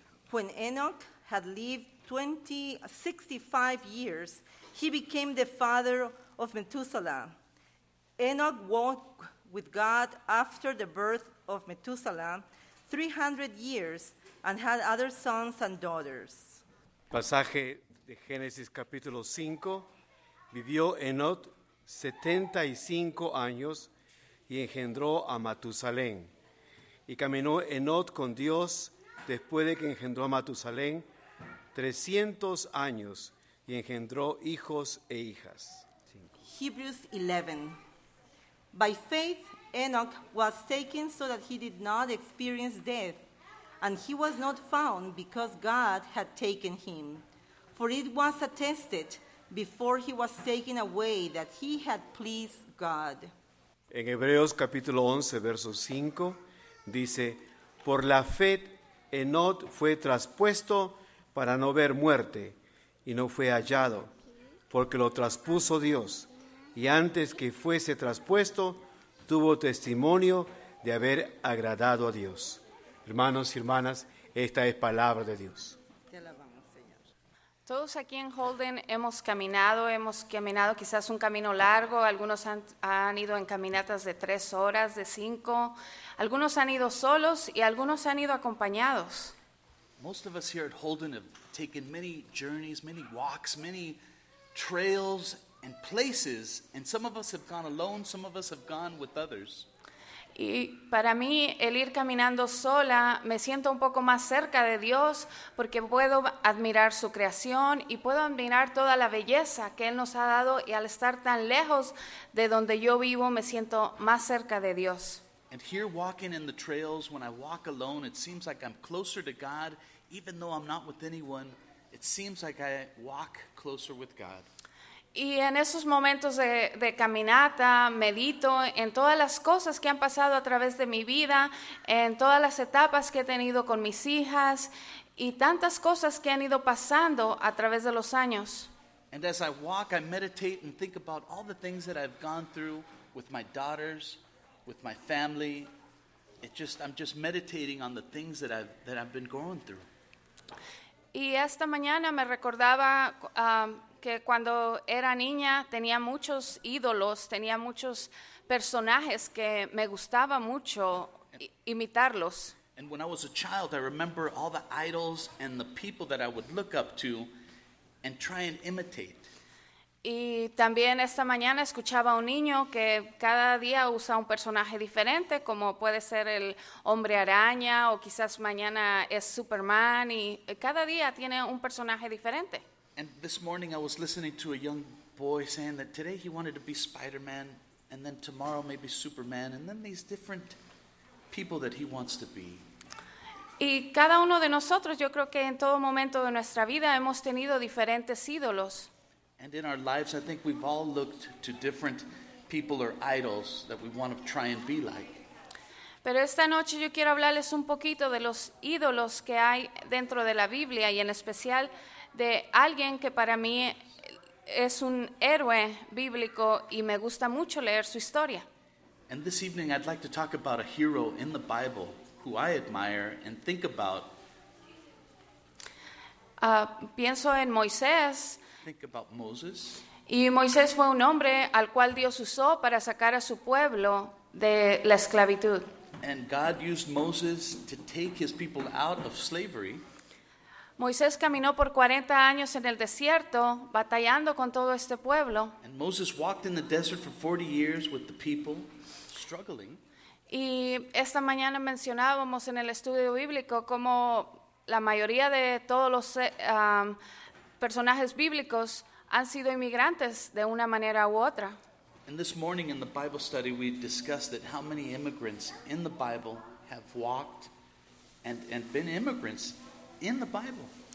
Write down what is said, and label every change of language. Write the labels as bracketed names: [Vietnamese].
[English] When Enoch had lived 65 years, he became the father of Methuselah. Enoch walked with God after the birth of Methuselah 300 years and had other sons and daughters. [Spanish] Pasaje de Génesis capítulo 5. Vivió Enoch 75 años y engendró a Matusalén. Y caminó Enoch con Dios después de que engendró a Matusalén 300 años y engendró hijos e hijas. [English] Hebrews 11. By faith, Enoch was taken so that he did not experience death, and he was not found because God had taken him. For it was attested before he was taken away that he had pleased God. [Spanish] En Hebreos capítulo 11, verso 5, dice, por la fe, Enoch fue traspuesto para no ver muerte, y no fue hallado, porque lo traspuso Dios. Y antes que fuese traspuesto, tuvo testimonio de haber agradado a Dios. Hermanos y hermanas, esta es palabra de Dios. Te alabamos, Señor. Todos aquí en Holden hemos caminado quizás un camino largo. Algunos han ido en caminatas de 3 horas, de 5. Algunos han ido solos y algunos han ido acompañados. [English] Most of us here at Holden have taken many journeys, many walks, many trails and places, and some of us have gone alone, some of us have gone with others. [Spanish] Y para mí, el ir caminando sola, me siento un poco más cerca de Dios, porque puedo admirar su creación, y puedo admirar toda la belleza que Él nos ha dado, y al estar tan lejos de donde yo vivo, me siento más cerca de Dios. [English] And here walking in the trails, when I walk alone, it seems like I'm closer to God, even though I'm not with anyone, it seems like I walk closer with God. [Spanish] Y en esos momentos de caminata, medito en todas las cosas que han pasado a través de mi vida, en todas las etapas que he tenido con mis hijas, y tantas cosas que han ido pasando a través de los años. [English] And as I walk, I meditate and think about all the things that I've gone through with my daughters, with my family. I'm just meditating on the things that I've been going through. [Spanish] Y esta mañana me recordaba que cuando era niña tenía muchos ídolos, tenía muchos personajes que me gustaba mucho imitarlos. [English] And when I was a child, I remember all the idols and the people that I would look up to and try and imitate. [Spanish] Y también esta mañana escuchaba a un niño que cada día usa un personaje diferente, como puede ser el Hombre Araña, o quizás mañana es Superman, y cada día tiene un personaje diferente. [English] And this morning I was listening to a young boy saying that today he wanted to be Spider-Man, and then tomorrow maybe Superman, and then these different people that he wants to be. [Spanish] Y cada uno de nosotros, yo creo que en todo momento de nuestra vida hemos tenido diferentes ídolos. [English] And in our lives, I think we've all looked to different people or idols that we want to try and be like. [Spanish] Pero esta noche yo quiero hablarles un poquito de los ídolos que hay dentro de la Biblia, y en especial de alguien que para mí es un héroe bíblico y me gusta mucho leer su historia. [English] And this evening I'd like to talk about a hero in the Bible who I admire and think about. [Spanish] Pienso en Moisés. [English] Think about Moses. [Spanish] Y Moisés fue un hombre al cual Dios usó para sacar a su pueblo de la esclavitud. [English] And God used Moses to take his people out of slavery. [Spanish] Moisés caminó por 40 años en el desierto, batallando con todo este pueblo. [English] And Moses walked in the desert for 40 years with the people, struggling. [Spanish] Y esta mañana mencionábamos en el estudio bíblico cómo la mayoría de todos los personajes bíblicos han sido inmigrantes de una manera u otra. [English] And this morning in the Bible study, we discussed that how many immigrants in the Bible have walked and been immigrants in the Bible.